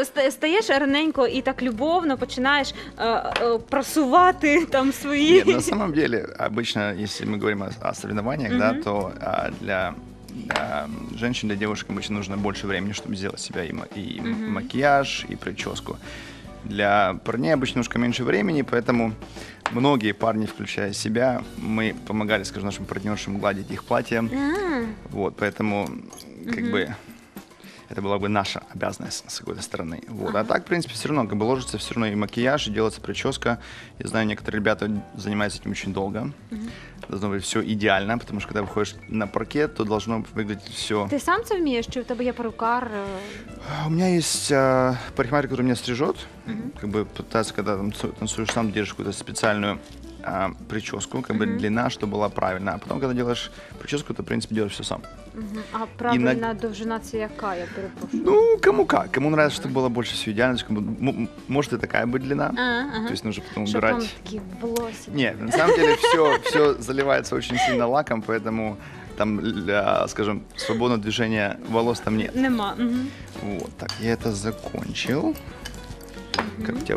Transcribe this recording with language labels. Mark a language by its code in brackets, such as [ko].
[uk] Стаєш рненько і так любовно починаєш просувати там свої. [ru] Ні, на самом деле, обычно, если мы говорим о соревнованиях, mm-hmm. да, то для женщин, для девушек обычно нужно больше времени, чтобы сделать себя и mm-hmm. макияж, и прическу. Для парней обычно немножко меньше времени, поэтому многие парни, включая себя, мы помогали, скажем, нашим партнершам гладить их платье. Mm-hmm. Вот, поэтому как mm-hmm. бы это была бы наша обязанность с какой-то стороны. Вот. А так, в принципе, все равно, как бы ложится все равно и макияж, и делается прическа. Я знаю, некоторые ребята занимаются этим очень долго. Угу. Должно быть все идеально, потому что когда выходишь на паркет, то должно выглядеть все... Ты сам это умеешь? Чи у тебя есть парикмахер? У меня есть парикмахер, который меня стрижет. Угу. Как бы пытается, когда танцуешь сам, держишь какую-то специальную прическу, как mm-hmm. бы длина, чтобы была правильна. А потом, когда делаешь прическу, то, в принципе, делаешь все сам. [uk] Mm-hmm. [ru] А правильная [uk] довжина це яка, я перепрошу? [ru] Ну, кому как. Кому нравится, mm-hmm. чтобы было больше все идеально. Кому... Может и такая быть длина. Uh-huh. То есть нужно потом убирать. Чтобы там такие волосики. Нет, на самом деле все заливается очень сильно лаком, поэтому там, скажем, свободного движения волос там нет. [uk] Нема. Mm-hmm. [ru] Вот так, я это закончил. Как тебе?